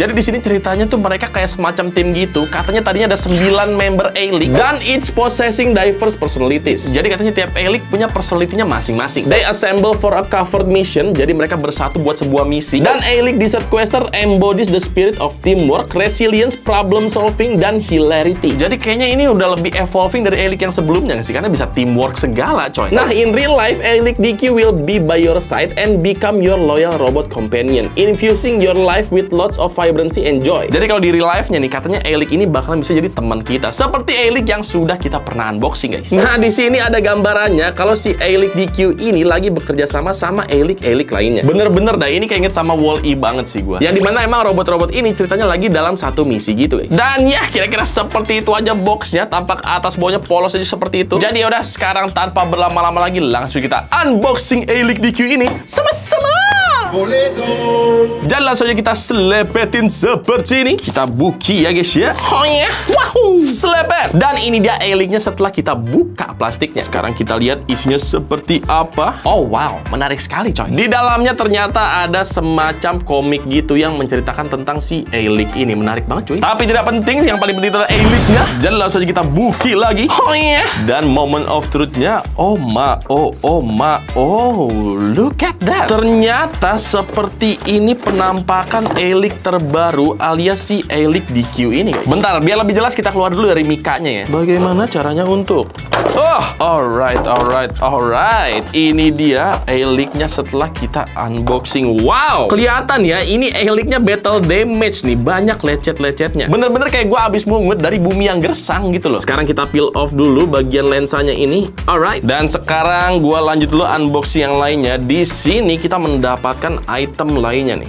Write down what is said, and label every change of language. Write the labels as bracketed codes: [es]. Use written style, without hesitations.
[id] Jadi di sini ceritanya tuh mereka kayak semacam tim gitu. Katanya tadinya ada 9 member Alix, dan it's possessing diverse personalities. Jadi katanya tiap Alix punya personalitinya masing-masing. [en] They assemble for a covered mission. [id] Jadi mereka bersatu buat sebuah misi. Dan Alix Dessert Quester embodies the spirit of teamwork, resilience, problem solving, dan hilarity. Jadi kayaknya ini udah lebih evolving dari Alix yang sebelumnya sih, karena bisa teamwork segala coy. [en] Nah in real life, Alix DQ will be by your side and become your loyal robot companion, infusing your life with lots of vibrancy enjoy. [id] Jadi kalau di real life-nya nih, katanya Alix ini bakalan bisa jadi teman kita, seperti Alix yang sudah kita pernah unboxing, guys. Nah, di sini ada gambarannya kalau si Alix DQ ini lagi bekerja sama sama Alix-Alix lainnya. Bener-bener dah, ini kayak inget sama Wall-E banget sih gua. Yang dimana emang robot-robot ini ceritanya lagi dalam satu misi gitu, guys. Dan ya, kira-kira seperti itu aja box-nya, tampak atas bawahnya polos aja seperti itu. Jadi udah sekarang tanpa berlama-lama lagi, langsung kita unboxing Alix DQ ini sama-sama. Boleh dong. Dan langsung aja kita selepetin seperti ini. Kita buki ya guys ya. Oh yeah. Wahoo. Selepet. Dan ini dia Alix-nya setelah kita buka plastiknya. Sekarang kita lihat isinya seperti apa. Oh wow, menarik sekali coy. Di dalamnya ternyata ada semacam komik gitu yang menceritakan tentang si Alix ini. Menarik banget cuy. Tapi tidak penting, yang paling penting adalah Alix-nya. Dan langsung aja kita buki lagi. Oh yeah. [en] Dan moment of truth-nya, oh ma, oh, oh ma, oh, look at that. [id] Ternyata seperti ini penampakan Alix terbaru alias si Alix DQ ini guys. Bentar, biar lebih jelas kita keluar dulu dari mikanya ya. Bagaimana caranya untuk... [en] Oh, alright, alright, alright. [id] Ini dia Alix-nya setelah kita unboxing. Wow, kelihatan ya, ini Alix-nya battle damage nih. Banyak lecet-lecetnya. Bener-bener kayak gue abis mungut dari bumi yang gersang gitu loh. Sekarang kita peel off dulu bagian lensanya ini. Alright. Dan sekarang gue lanjut dulu unboxing yang lainnya. Di sini kita mendapatkan item lainnya nih.